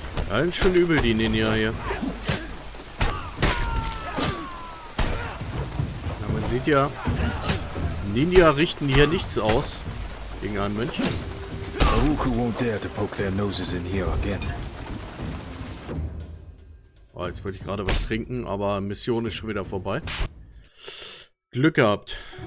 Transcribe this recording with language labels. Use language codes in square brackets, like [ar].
[de] Ja, ist schon übel, die Ninja hier. Ja, man sieht ja, Ninja richten hier nichts aus gegen einen Mönch. [en] Wuku won't dare to poke their noses in here again. [de] Oh, jetzt wollte ich gerade was trinken, aber Mission ist schon wieder vorbei. Glück gehabt.